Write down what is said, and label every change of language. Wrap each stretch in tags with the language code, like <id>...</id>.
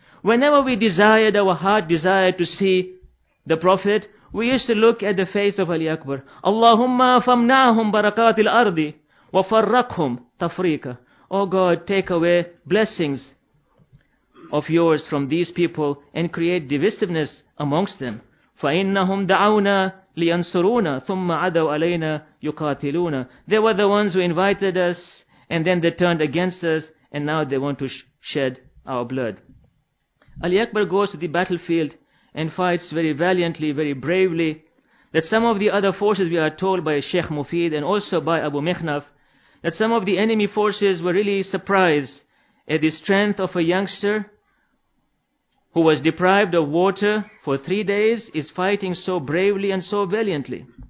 <en>Whenever we desired, our heart desired to see the Prophet, we used to look at the face of Ali Akbar.</en> <ar>Allahumma famnahum barakatil ardi wa farrakhum tafrika.</ar> <en>O God, take away blessings of yours from these people and create divisiveness amongst them.</en> <ar>Fa innahum da'una لينصرونا ثم عدوا علينا يقاتلونا.</ar> <en>They were the ones who invited us and then they turned against us and now they want to shed our blood. Ali Akbar goes to the battlefield and fights very valiantly, very bravely. That some of the other forces, we are told by Sheikh Mufid and also by Abu Mihnaf, that some of the enemy forces were really surprised at the strength of a youngster who was deprived of water for 3 days, is fighting so bravely and so valiantly.</en>